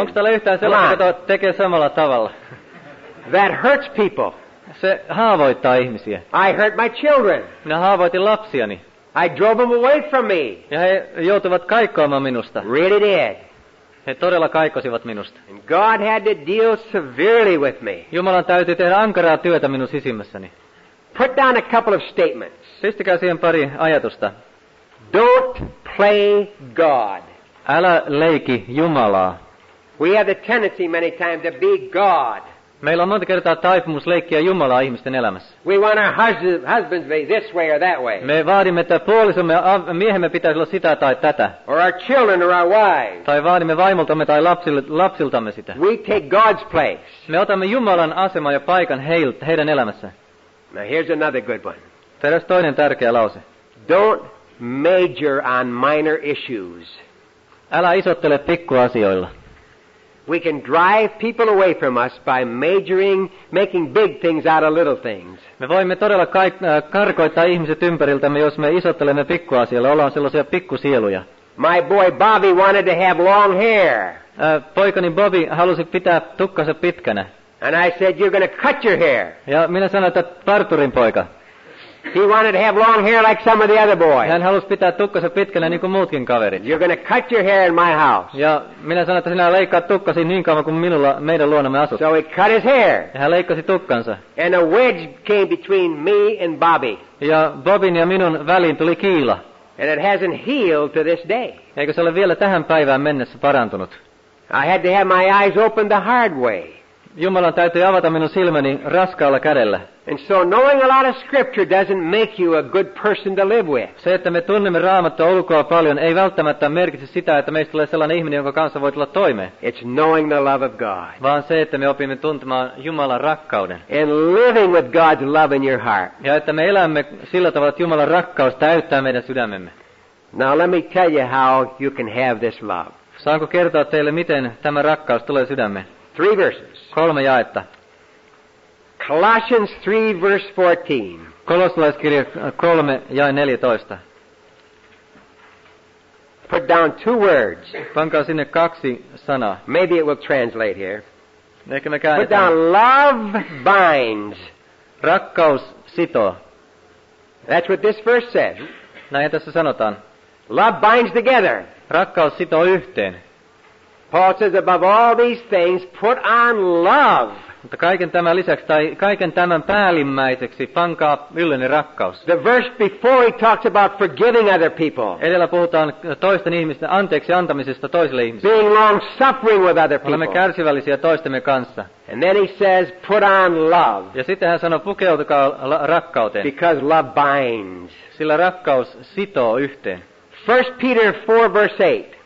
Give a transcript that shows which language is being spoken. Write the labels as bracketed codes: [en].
[fi] Onko täällä yhtään sellaista, joka tekee samalla tavalla? [en] That hurts people. [fi] Se haavoittaa ihmisiä. [en] I hurt my children. [fi] Minä haavoitin lapsiani. [en] I drove them away from me. [fi] Ja he joutuvat kaikkoamaan minusta. [en] Really did. [fi] He todella kaikkosivat minusta. [en] And God had to deal severely with me. [fi] Jumalan täytyy tehdä ankaraa työtä minun sisimmässäni. [en] Put down a couple of statements. [fi] Pistäkää siihen pari ajatusta. [en] Don't play God. [fi] Älä leiki Jumalaa. [en] We have the tendency many times to be God. [fi] Meillä on monta kertaa taipumus leikkiä Jumalaa ihmisten elämässä. [en] We want our husbands to be this way or that way. [fi] Me vaadimme, että puolisomme miehemme pitäisi olla sitä tai tätä. [en] Or our children or our wives. [fi] Tai vaadimme vaimoltamme tai lapsiltamme sitä. [en] We take God's place. [fi] Me otamme Jumalan aseman ja paikan heidän elämässä. [en] Now here's another good one. [fi] Tässä toinen tärkeä lause. [en] Don't major on minor issues. [fi] Älä isottele pikkuasioilla. [en] We can drive people away from us by majoring, making big things out of little things. [fi] Me voimme todella karkoittaa ihmiset ympäriltämme, jos me isottelemme pikkuasioilla. Ollaan sellaisia pikkusieluja. [en] My boy Bobby wanted to have long hair. [fi] Poikani Bobby halusi pitää tukkansa pitkänä. [en] And I said, you're going to cut your hair. [fi] Ja minä sanoin, että parturin poika. [en] He wanted to have long hair like some of the other boys. [fi] Hän halusi pitää tukkansa pitkänä niin kuin muutkin kaverit. [en] You're going to cut your hair in my house. [fi] Ja minä sanoin, että sinä leikkaat tukkasi niin kauan kuin minulla meidän luonamme asut. [en] So he cut his hair. [fi] Ja hän leikkasi tukkansa. [en] And a wedge came between me and Bobby. [fi] Ja Bobin ja minun väliin tuli kiila. [en] And it hasn't healed to this day. [fi] Eikö se ole vielä tähän päivään mennessä parantunut? [en] I had to have my eyes open the hard way. [fi] Jumalan täytyy avata minun silmäni raskaalla kädellä. [en] And so knowing a lot of scripture doesn't make you a good person to live with. [fi] Se, että me tunnemme Raamattua ulkoa paljon, ei välttämättä merkitse sitä, että meistä tulee sellainen ihminen, jonka kanssa voi tulla toimeen. [en] It's knowing the love of God. [fi] Vaan se, että me opimme tuntemaan Jumalan rakkauden. [en] And living with God's love in your heart. [fi] Ja että me elämme sillä tavalla, että Jumalan rakkaus täyttää meidän sydämemme. [en] Now let me tell you how you can have this love. [fi] Saanko kertoa teille, miten tämä rakkaus tulee sydämeen? [en] 3 verses. [fi] Kolme jaetta. [en] Colossians 3 verse 14. [fi] Kolossalaiskirja 3 ja 14. [en] Put down 2 words. [fi] Pankaa sinne kaksi sanaa. [en] Maybe it will translate here. [fi] Ehkä me käännetään. [en] Put down love binds. [fi] Rakkaus sitoo. [en] That's what this verse says. [fi] Näin tässä sanotaan. [en] Love binds together. [fi] Rakkaus sitoo yhteen. [en] Paul says above all these things put on love. [fi] Mutta kaiken tämän lisäksi tai kaiken tämän päällimmäiseksi pankaa yllenne rakkaus. [en] The verse before he talks about forgiving other people. [fi] Edellä puhutaan toisten ihmisten anteeksi antamisesta toisille ihmisille. [en] Being long suffering with other people. [fi] Olemme kärsivällisiä toistemme kanssa. [en] And then he says put on love. [fi] Ja sitten hän sanoo pukeutukaa rakkauteen. [en] Because love binds. [fi] Sillä rakkaus sitoo yhteen. [en] 1 Peter 4 verse 8.